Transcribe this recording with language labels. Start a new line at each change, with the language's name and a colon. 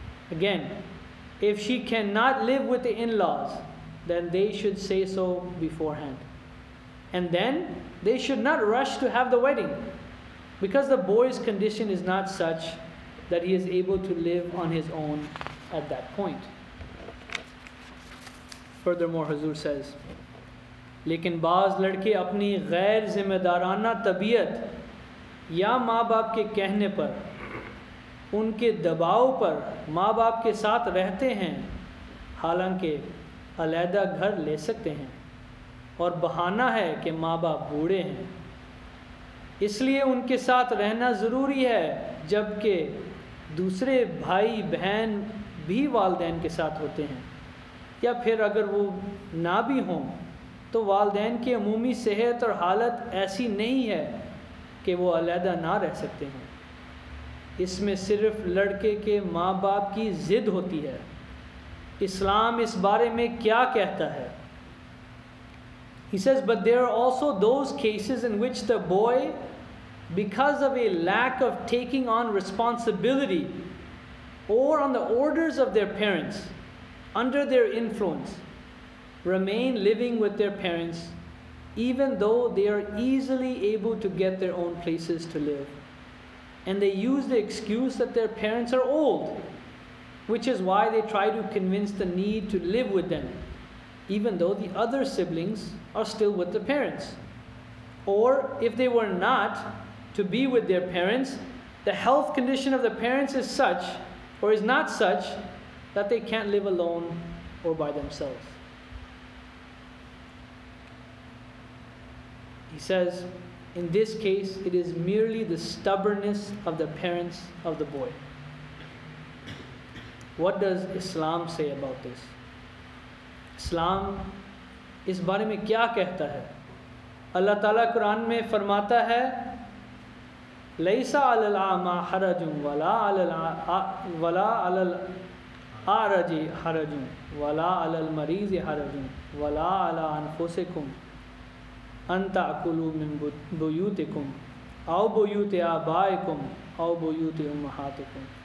English: Again, if she cannot live with the in-laws, then they should say so beforehand. And then they should not rush to have the wedding, because the boy's condition is not such that he is able to live on his own at that point. Furthermore, Hazur says,
Urdu: Lekin baaz ladke apni ghair zimmedarana tabiyat یا ماں باپ کے کہنے پر ان کے دباؤ پر ماں باپ کے ساتھ رہتے ہیں حالانکہ علیحدہ گھر لے سکتے ہیں اور بہانہ ہے کہ ماں باپ بوڑھے ہیں، اس لیے ان کے ساتھ رہنا ضروری ہے جبکہ دوسرے بھائی بہن بھی والدین کے ساتھ ہوتے ہیں، یا پھر اگر وہ نہ بھی ہوں تو والدین کی عمومی صحت اور حالت ایسی نہیں ہے کہ وہ علیحدہ نہ رہ سکتے ہیں. اس میں صرف لڑکے کے ماں باپ کی ضد ہوتی ہے. اسلام اس بارے میں کیا کہتا ہے؟
English: He says, but there are also those cases in which the boy, because of a lack of taking on responsibility or on the orders of their parents, under their influence, remain living with their parents even though they are easily able to get their own places to live. And they use the excuse that their parents are old, which is why they try to convince the need to live with them, even though the other siblings are still with the parents. Or if they were not to be with their parents, the health condition of the parents is such, or is not such, that they can't live alone or by themselves. He says, in this case, it is merely the stubbornness of the parents of the boy. What does Islam say about this?
Urdu: اسلام اس بارے میں کیا کہتا ہے؟ اللہ تعالیٰ قرآن میں فرماتا ہے،
Arabic: لیس علی الاعمى حرج ولا علی الاعرج حرج ولا علی المریض حرج ولا علی انفسکم ان تأکلوا من بیوتکم او بیوت آبائکم او بیوت امہاتکم،